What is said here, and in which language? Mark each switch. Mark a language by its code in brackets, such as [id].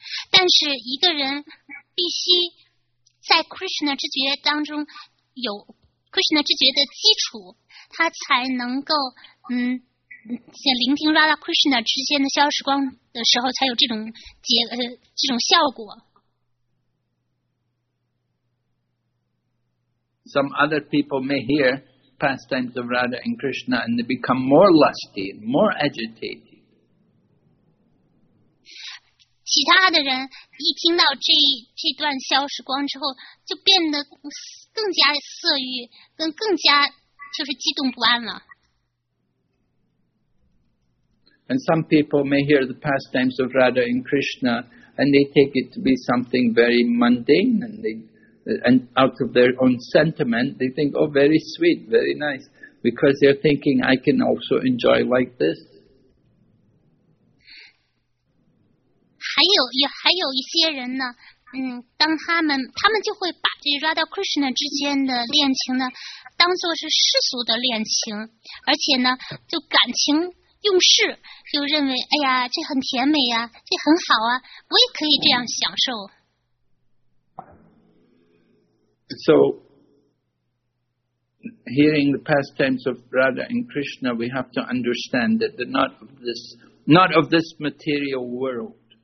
[zh] 但是一个人必须在 Krishna 之觉当中有 Krishna 之觉的基础，他才能够聆听 Radha Krishna 之间的逍遥时光的时候，才有这种这种效果。 [en] Some other people may hear pastimes of Radha and Krishna and they become more lusty, more agitated. [zh] 其他的人一听到 这段消失光之后，就变得更加色欲，更加就是激动不安了。 [en] And some people may hear the pastimes of Radha and Krishna, and they take it to be something very mundane, and out of their own sentiment, they think, oh, very sweet, very nice, because they're thinking, I can also enjoy like this. [zh] 还有一些人呢，当他们就会把这 Radha Krishna 之间的恋情呢，当作是世俗的恋情，而且呢，就感情用事，就认为，哎呀，这很甜美呀，这很好啊，我也可以这样享受。 [en] So, hearing the pastimes of Radha and Krishna, we have to understand that they're not of this material world.